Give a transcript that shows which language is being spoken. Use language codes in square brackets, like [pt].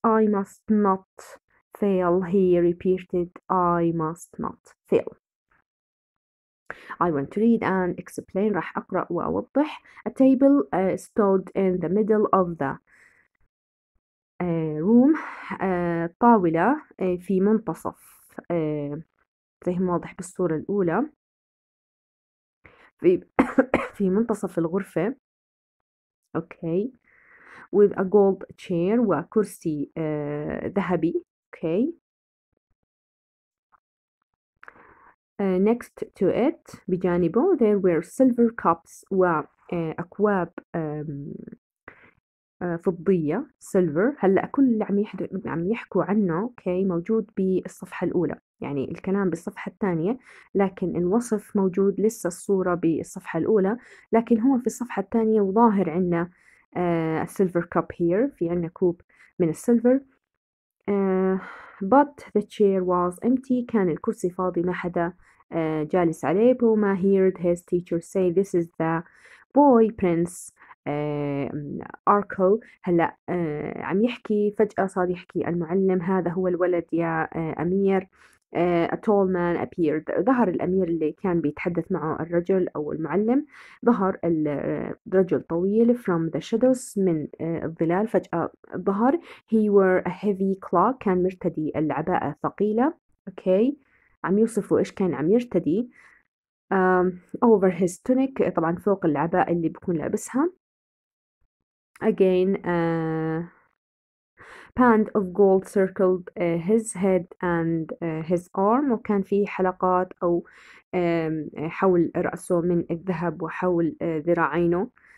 [en] I must not fail, he repeated. I must not fail. I want to read and explain. [ar] راح أقرأ وأوضح. [en] A table stood in the middle of the room. [ar] طاولة في منتصف. زي ما واضح بالصورة الأولى. في منتصف الغرفة. Okay. [en] With a gold chair وكرسي ذهبي. Okay. Next to it, بجانبه, there were silver cups وأكواب فضية, silver. [ar] هلأ كل اللي عم يحكوا عنه, okay, موجود بالصفحة الأولى. يعني الكلام بالصفحة الثانية, لكن الوصف موجود لسه الصورة بالصفحة الأولى. لكن هو في الصفحة الثانية وظاهر عنا silver cup here. في عنا كوب من السيلفر. But the chair was empty. كان الكرسي فاضي, ما حدا جالس عليه. [en] بوما heard his teacher say this is the boy prince Arco. [ar] هلأ عم يحكي, فجأة صار يحكي المعلم, هذا هو الولد يا أمير. [en] A tall man appeared. [ar] ظهر الأمير اللي كان بيتحدث معه الرجل أو المعلم. ظهر الرجل طويل. From the shadows, من الظلال فجأة ظهر. [en] He wore a heavy cloak. [ar] كان مرتدي العباءة الثقيلة. [en] Okay. [ar] عم يوصفوا إيش كان عم يرتدي. Over his tunic, طبعا فوق العباءة اللي بيكون لابسها. [en] Again, band of gold circled his head and his arm. [ar] وكان في حلقات أو حول رأسه من الذهب وحول ذراعينه.